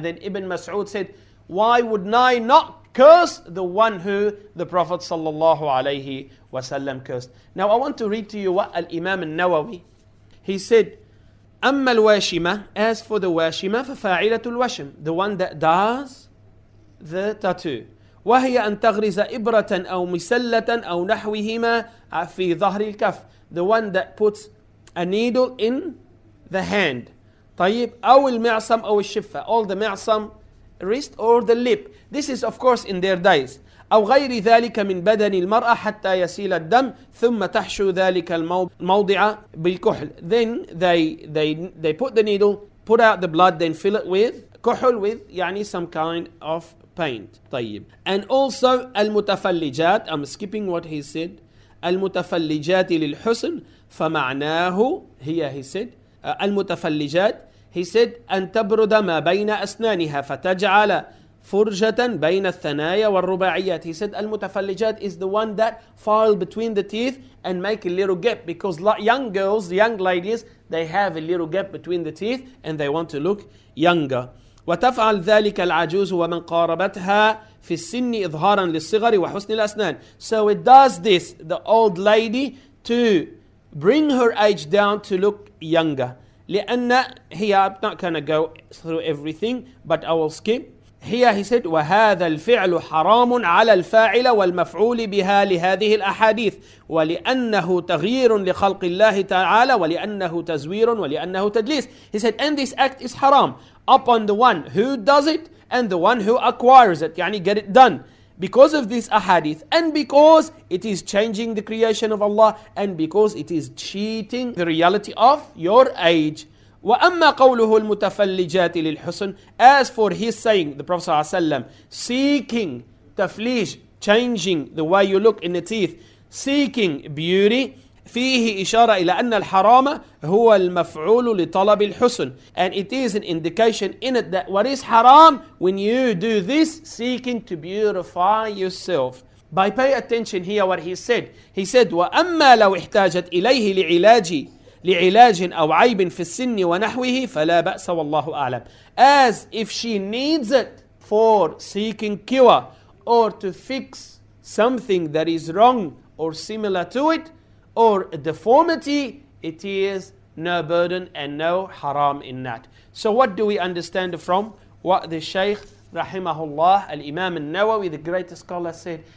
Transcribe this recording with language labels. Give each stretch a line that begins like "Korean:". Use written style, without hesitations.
English: Then Ibn Mas'ud said, why would I not curse the one who the Prophet sallallahu alayhi wa sallam cursed? Now I want to read to you what Al-Imam al-Nawawi, he said,
Arabic: أما الواشمة,
English: as for the واشمة,
Arabic: ففاعلة الوشم,
English: the one that does the tattoo.
Arabic: وهي أن تغرز إبرة أو مسلة أو نحوهما في ظهر الكف.
English: The one that puts a needle in the hand.
Arabic: طيب. أو المعصم أو الشفة.
English: All the معصم, wrist or the lip. This is of course in their days.
Arabic: أو غير ذلك من بدن المرأة حتى يسيل الدم ثم تحشو ذلك الموضع بالكحل.
English: Then they put the needle, put out the blood, then fill it with كحل, with يعني some kind of paint.
Arabic: طيب.
English: And also
Arabic: المتفلجات,
English: I'm skipping what he said,
Arabic: المتفلجات للحسن فمعناه,
English: here he said,
Arabic: المتفلجات, he said أن تبرد ما بين أسنانها فتجعل فرجة بين الثنايا والرباعيات.
English: He said المتفلجات is the one that file between the teeth and make a little gap, because young girls, young ladies, they have a little gap between the teeth and they want to look younger.
Arabic: وتفعل ذلك العجوز ومن قاربتها في السن إظهارا للصغر وحسن الأسنان.
English: So it does this, the old lady, to bring her age down to look younger.
Arabic: لأن هي,
English: I'm not gonna go through everything, but I will skip. Here he said,
Arabic: وهذا الفعل حرام على الفاعل والمفعول بها لهذه الأحاديث ولأنه تغيير لخلق الله تعالى ولأنه تزوير ولأنه تدليس.
English: He said, and this act is haram upon the one who does it and the one who acquires it, يعني get it done, because of this ahadith, and because it is changing the creation of Allah, and because it is cheating the reality of your age.
Arabic: وأما قوله المتفلجات للحسن,
English: as for his saying, the Prophet
Arabic: صلى الله عليه وسلم,
English: seeking تفليج, changing the way you look in the teeth, seeking beauty,
Arabic: فيه إشارة إلى أن الحرام هو المفعول لطلب الحسن.
English: And it is an indication in it that what is haram, when you do this, seeking to beautify yourself. By pay attention here what he said. He said,
Arabic: وأما لو احتاجت إليه لعلاجي لعلاج أو عيب في السن ونحوه فلا بأس والله أعلم.
English: As if she needs it for seeking cure or to fix something that is wrong or similar to it or a deformity, it is no burden and no haram in that. So what do we understand from what the Shaykh rahimahullah, al-Imam al-Nawawi, the greatest scholar, said?